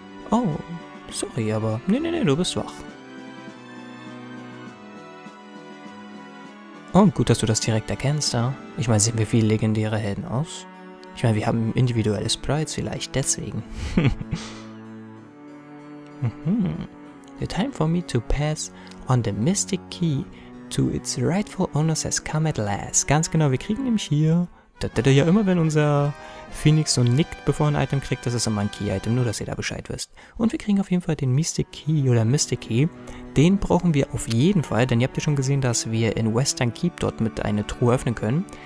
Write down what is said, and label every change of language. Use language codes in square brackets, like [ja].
[de] Oh, sorry, aber nee, du bist wach. Oh, gut, dass du das direkt erkennst, da. Ich meine, sehen wir wie legendäre Helden aus? Ich meine, wir haben individuelle Sprites vielleicht, deswegen. [en] The time for me to pass on the mystic key to its rightful owners has come at last. [de] Ganz genau, wir kriegen nämlich hier... Da ja immer, wenn unser Phoenix so nickt, bevor er ein Item kriegt, das ist immer ein Key-Item, nur dass ihr da Bescheid wisst. Und wir kriegen auf jeden Fall den Mystic Key oder Mystic Key. Den brauchen wir auf jeden Fall, denn ihr habt ja schon gesehen, dass wir in Western Keep dort mit eine Truhe öffnen können.